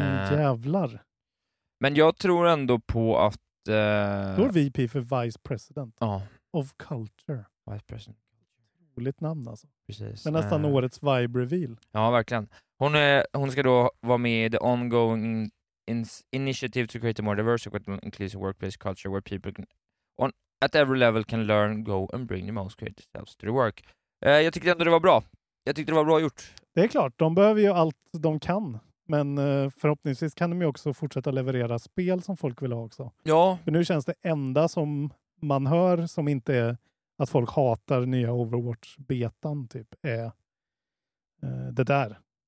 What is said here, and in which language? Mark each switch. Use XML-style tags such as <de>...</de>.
<sv>Jävlar. Men jag tror ändå på att... Då är VP för Vice President. Ja.</sv> <en>Of Culture. Vice President.</en> <sv>Roligt namn alltså. Precis. Men nästan årets</sv> <en>vibe reveal.</en> <sv>Ja, verkligen. Hon ska då vara med i</sv> <en>The Ongoing... initiative to create a more diverse equitable inclusive workplace culture where people can at every level can learn, go and bring the most creative selves to the work.</en> <sv>Jag tyckte ändå det var bra. Jag tyckte det var bra gjort. Det är klart, de behöver ju allt de kan, men förhoppningsvis kan de ju också fortsätta leverera spel som folk vill ha också. Ja. För nu känns det enda som man hör som inte är att folk hatar nya Overwatch-betan typ är det där.</sv>